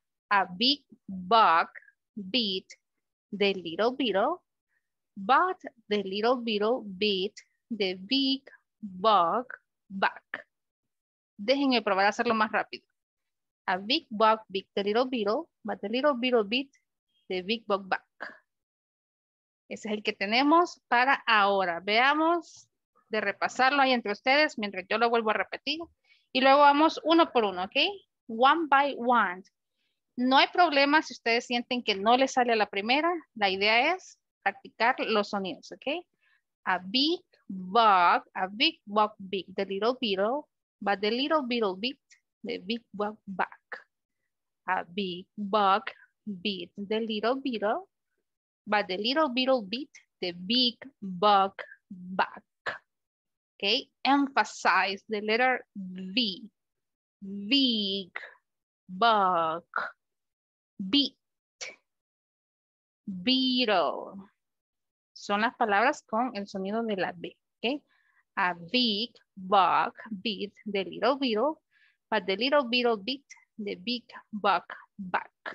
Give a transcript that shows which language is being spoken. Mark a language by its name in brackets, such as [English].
[English] A big bug beat the little beetle, but the little beetle beat the big bug back. [Spanish] Déjenme probar a hacerlo más rápido. [English] A big bug beat the little beetle, but the little beetle beat the big bug back. [Spanish] Ese es el que tenemos para ahora. Veamos de repasarlo ahí entre ustedes mientras yo lo vuelvo a repetir. Y luego vamos uno por uno, ¿ok? [English] One by one. [Spanish] No hay problema si ustedes sienten que no les sale a la primera. La idea es practicar los sonidos, ¿ok? [English] A big bug beat the little beetle, but the little beetle beat the big bug back. A big bug beat the little beetle, but the little beetle beat the big bug back. ¿Ok? Emphasize the letter V. Big bug. Beat, beetle, [Spanish] son las palabras con el sonido de la B, ¿ok? [English] A big, bug, beat, the little beetle, but the little beetle beat the big bug back.